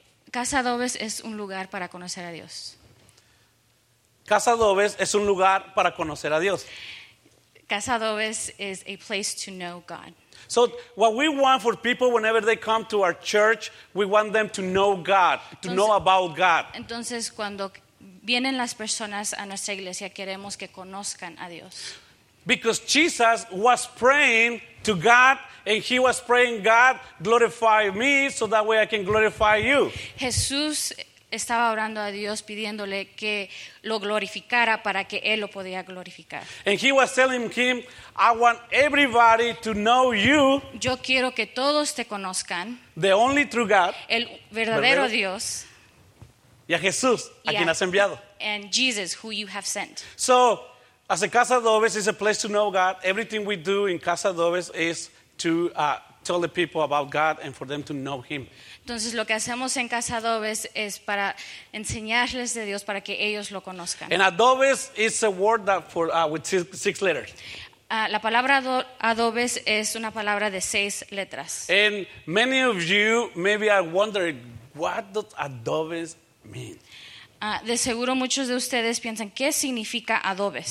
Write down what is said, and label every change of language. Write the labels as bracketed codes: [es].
[es] Casa Adobes es un lugar para conocer a Dios. Casa Adobes es un lugar para conocer a Dios. [en] Casa Adobes is a place to know God. So, what we want for people whenever they come to our church, we want them to know God, know about God. [es] Entonces, cuando vienen las personas a nuestra iglesia, queremos que conozcan a Dios. [en] Because Jesus was praying to God, and he was praying, God, glorify me, so that way I can glorify you. [es] Jesús estaba orando a Dios, pidiéndole que lo glorificara para que él lo podía glorificar. [en] And he was telling him, I want everybody to know you. [es] Yo quiero que todos te conozcan. [en] The only true God. [es] El verdadero Dios. Y a Jesús, a quien has enviado. [en] And Jesus, who you have sent. So, as a Casa Adobes is a place to know God, everything we do in Casa Adobes is to tell the people about God and for them to know Him. [es] Entonces, lo que hacemos en Casa Adobes es para enseñarles de Dios para que ellos lo conozcan. [en] And Adobes is a word that for with six letters. [es] La palabra Adobes es una palabra de seis letras. [en] And many of you maybe are wondering, what does Adobes mean? [es] De seguro muchos de ustedes piensan, ¿qué significa adobes?